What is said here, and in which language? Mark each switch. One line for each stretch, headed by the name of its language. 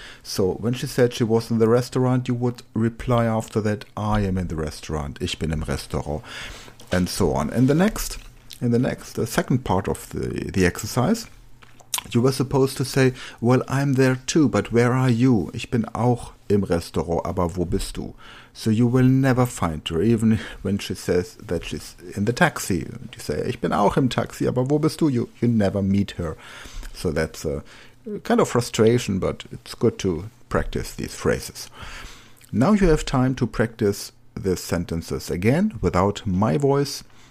English: So when she said she was in the restaurant, you would reply after that, I am in the restaurant,
German: ich bin im Restaurant,
English: and so on. And the second part of the exercise, you were supposed to say, well, I'm there too, but where are you?
German: Ich bin auch im Restaurant, aber wo bist du?
English: So you will never find her, even when she says that she's in the taxi. You say,
German: ich bin auch im Taxi, aber wo bist du?
English: You never meet her. So that's a kind of frustration, but it's good to practice these phrases. Now you have time to practice the sentences again without my voice.